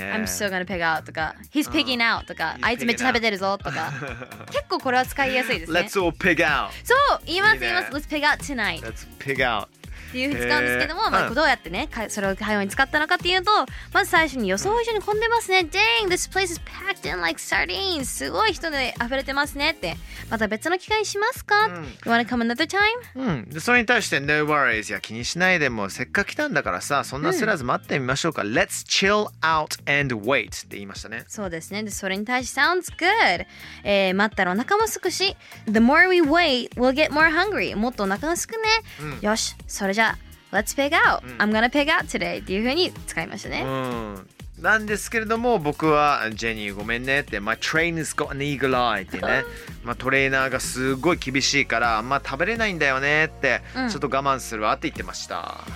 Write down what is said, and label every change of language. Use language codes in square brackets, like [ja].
[en] I'm still gonna pig out [ja] とか、 [en] he's pigging out [ja] とか、あいつめっちゃ食べてるぞとか、結構これは使いやすいですね。 [en] Let's all pig out。 [ja] そう、言います、いいね、言います。 [en] Let's pig out tonight。 Let's pig out。 [ja] っていうふうに使うんですけども、まあ、どうやってね、それを会話に使ったのかっていうと、まず最初に予想以上に混んでますね。 [en] Dang, this place is packed in like sardines。 [ja] すごい人で溢れてますねって。また別の機会にしますか、うん、 [en] You wanna come another time? [ja] うん。で、それに対して No worries。 いや、気にしないで、もせっかく来たんだからさ、そんな焦らず待ってみましょうか。うん、 [en] Let's chill out and wait [ja] って言いましたね。そうですね。で、それに対して Sounds good。待ったらお腹もすくし、 [en] The more we wait, we'll get more hungry。 [ja] もっとお腹がすくね。うん、よし、それじゃ [en] Let's pig out、 [ja] うん、 [en] I'm gonna pig out today [ja] っていう風に使いましたね、うん、なんですけれども僕はジェニーごめんねって、 [en] My trainer's got an eagle eye [ja] ってね、まあ、トレーナーがすごい厳しいからあんま食べれないんだよねって、うん、ちょっと我慢するわって言ってました